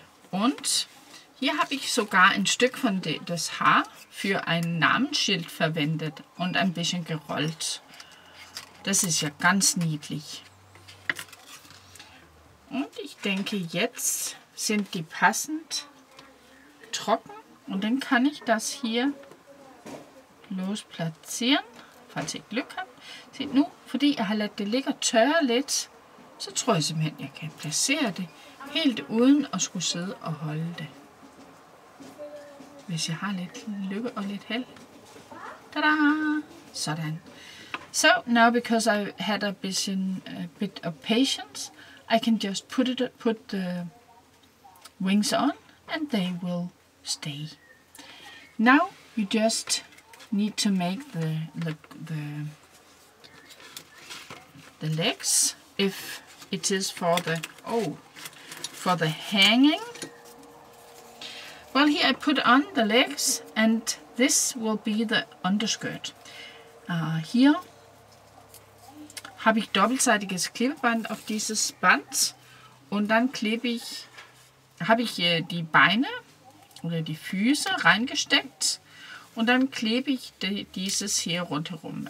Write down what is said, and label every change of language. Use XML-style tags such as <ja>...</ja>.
<de>Und hier habe ich sogar ein Stück von das Haar für ein Namensschild verwendet und ein bisschen gerollt. Das ist ja ganz niedlich. Und ich denke, jetzt sind die passend trocken und dann kann ich das hier losplatzieren, falls ich Glück habe. Sieht nur,</de> <da>fordi jeg har ladt det ligge tørre lidt, så tror jeg simpelthen, jeg kan placere det. Helt uden at skulle sidde og holde det. Hvis jeg har lidt lykke og lidt held. Tada! Sådan.</da> <en>So, now because I had a bit of patience, I can just put the wings on, and they will stay. Now you just need to make the legs, if it is for the... Oh! For the hanging. Well, here I put on the legs and this will be the underskirt.</en> <de>Hier habe ich doppelseitiges Klebeband auf dieses Band und dann klebe ich, habe ich die Beine oder die Füße reingesteckt und dann klebe ich dieses hier rundherum.</de>